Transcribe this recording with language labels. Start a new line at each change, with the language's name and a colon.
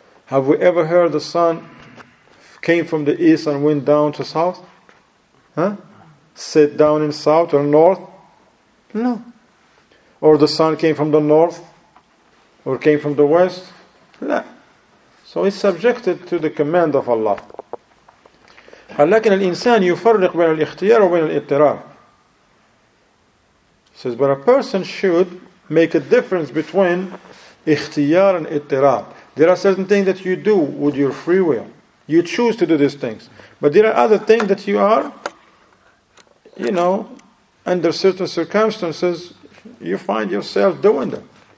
English: Have we ever heard the sun came from the east and went down to south? Huh? Sit down in south or north? No. Or the sun came from the north? Or came from the west? No. So it's subjected to the command of Allah.
Arabic: لكن الإنسان يفرق بين الاختيار وبين الاضطرار.
English: Says, but a person should make a difference between اختيار and اضطرار. There are certain things that you do with your free will. You choose to do these things. But there are other things that you are, you know, under certain circumstances, you find yourself doing them.